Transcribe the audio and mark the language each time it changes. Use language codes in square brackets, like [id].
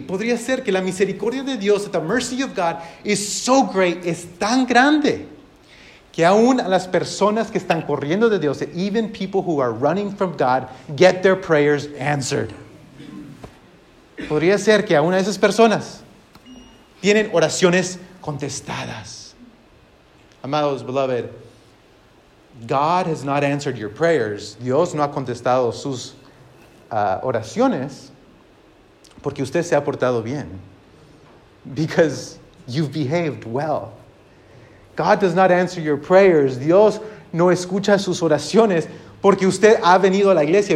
[es] Podría ser que la misericordia de Dios, [en] that the mercy of God is so great, [es] es tan grande, que aún a las personas que están corriendo de Dios, [en] even people who are running from God, get their prayers answered. [es] Podría ser que aún a esas personas tienen oraciones contestadas. Amados, [en] beloved, God has not answered your prayers. [es] Dios no ha contestado sus oraciones porque usted se ha portado bien. [en] Because you've behaved well. God does not answer your prayers. [es] Dios no escucha sus oraciones porque usted ha venido a la iglesia.